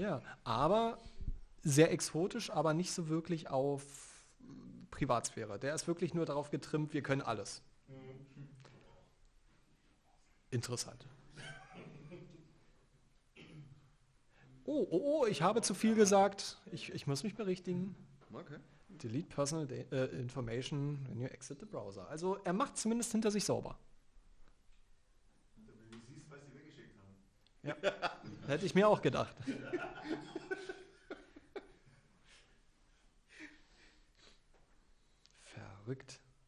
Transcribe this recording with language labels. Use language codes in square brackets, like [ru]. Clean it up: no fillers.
[de] Ja, aber sehr exotisch, aber nicht so wirklich auf Privatsphäre. Der ist wirklich nur darauf getrimmt, wir können alles. Interessant. Oh, ich habe zu viel gesagt. Ich muss mich berichtigen. Okay. [en] Delete personal information when you exit the browser. [de] Also er macht zumindest hinter sich sauber. Wenn du siehst, was sie weggeschickt haben. Ja. Hätte ich mir auch gedacht. Verrückt.